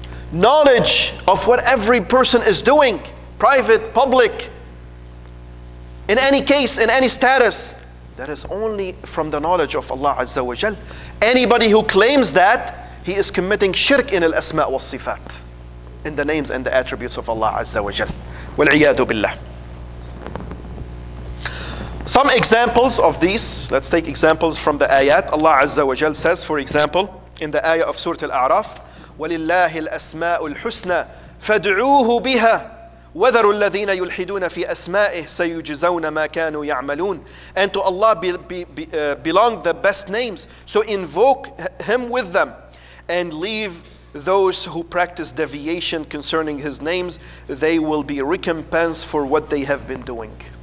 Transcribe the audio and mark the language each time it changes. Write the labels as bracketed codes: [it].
[en] Knowledge of what every person is doing, private, public, in any case, in any status, that is only from the knowledge of Allah Azza wa Jal. Anybody who claims that, he is committing shirk in al-asma wa sifat, in the names and the attributes of Allah Azza wa Jal. Wal-iyadu billah. Some examples of these, let's take examples from the ayat. Allah Azza wa Jal says, for example, in the ayah of Surah Al-A'raf, [ar] وَلِلَّهِ الْأَسْمَاءُ الْحُسْنَى فَادْعُوهُ بِهَا وَذَرُوا الَّذِينَ يُلْحِدُونَ فِي أَسْمَائِهِ سَيُجْزَوْنَ مَا كَانُوا يَعْمَلُونَ. [en] And to Allah belong the best names, so invoke him with them, and leave those who practice deviation concerning his names, they will be recompensed for what they have been doing.